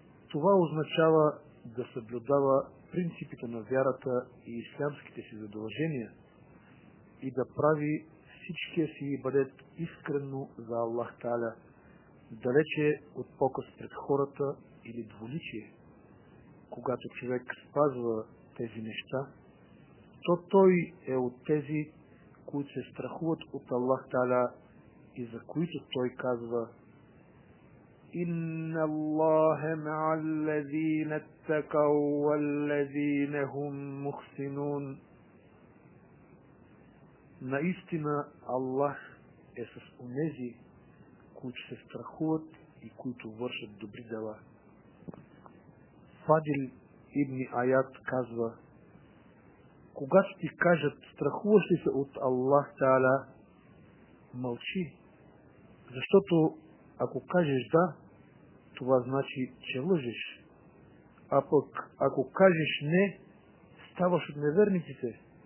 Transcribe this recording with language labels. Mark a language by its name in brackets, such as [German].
[Bulgarian] Това означава да съблюдава принципите на вярата и ислямските си задължения и да прави всичкия си ибадет искрено за Аллах Тааля, далече от показ пред хората или дволичие. Когато човек спазва тези неща, то той е от тези, които се страхуват от Аллах Тааля и за които той казва: [Arabic] Инна Аллаха маъл лазина ттакау вал лазина хум мухсинун. [Bulgarian] Наистина Аллах е с онези, които се страхуват и които вършат добри дела. Фадил ибн Аят казва: Когато ти кажат, страхуваш ли се от Аллах Тааля, мълчи, защото ако кажеш да, това значи, че лъжиш, а пък ако кажеш не, ставаш от неверниците.